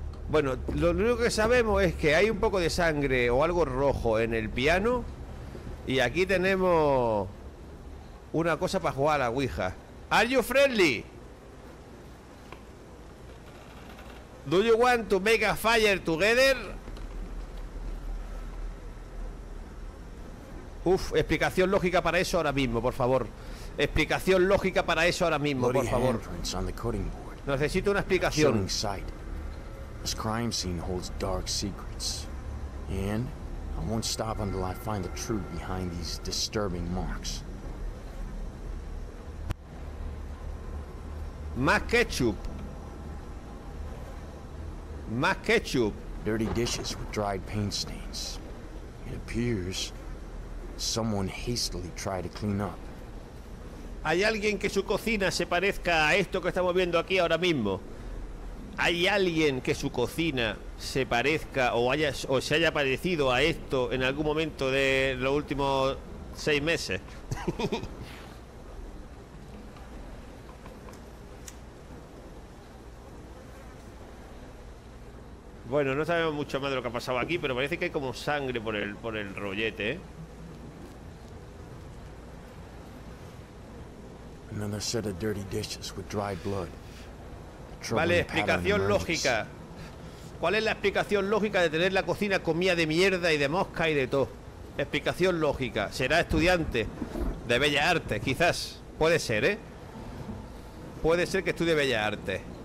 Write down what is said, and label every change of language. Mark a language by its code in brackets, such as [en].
[es] Bueno, lo único que sabemos es que hay un poco de sangre o algo rojo en el piano. Y aquí tenemos una cosa para jugar a la Ouija. [en] Are you friendly? Do you want to make a fire together? [es] Uf, explicación lógica para eso ahora mismo, por favor. Explicación lógica para eso ahora mismo, por favor. Necesito una explicación. [en] This crime scene holds dark secrets, and I won't stop until I find the truth behind these disturbing marks. [es] Más ketchup. [en] Dirty dishes with dried paint stains. It appears someone hastily tried to clean up. [es] ¿Hay alguien que su cocina se parezca a esto que estamos viendo aquí ahora mismo? ¿Hay alguien que su cocina se parezca o se haya parecido a esto en algún momento de los últimos 6 meses? Bueno, no sabemos mucho más de lo que ha pasado aquí, pero parece que hay como sangre por el rollete, ¿eh? [en] Another set of dirty dishes with dried blood. [es] Vale, explicación lógica. ¿Cuál es la explicación lógica de tener la cocina comida de mierda y de mosca y de todo? Explicación lógica. Será estudiante de Bellas Artes, quizás. Puede ser, ¿eh? Puede ser que estudie Bellas Artes.